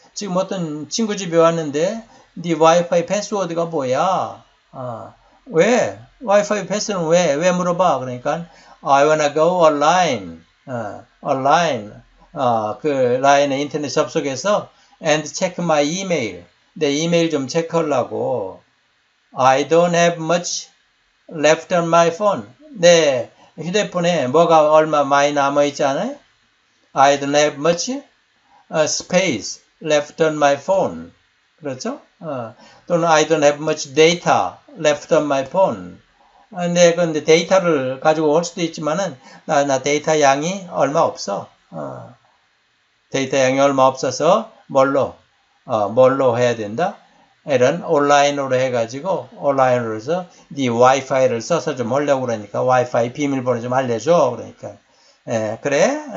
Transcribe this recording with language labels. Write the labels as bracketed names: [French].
[Korean] 지금 어떤 친구 집에 왔는데 네 와이파이 패스워드가 뭐야? 왜? Wi-Fi 패스는 왜? 왜 물어봐? 그러니까 [English] I wanna go online. Online. [Korean] 그 라인에 인터넷 접속해서 [English] and check my email. [Korean] 내 이메일 좀 체크하려고. [English] I don't have much left on my phone. [Korean] 내 휴대폰에 뭐가 얼마 많이 남아있잖아요? [English] I don't have much space left on my phone. [Korean] 그렇죠? [English] 또는 I don't have much data left on my phone. [Korean] 내 근데 데이터를 가지고 올 수도 있지만은 나 데이터 양이 얼마 없어. 데이터 양이 얼마 없어서 뭘로 해야 된다? 이런 온라인으로 해가지고 온라인으로 해서 네 와이파이를 써서 좀 하려고 그러니까 와이파이 비밀번호 좀 알려줘 그러니까 그래?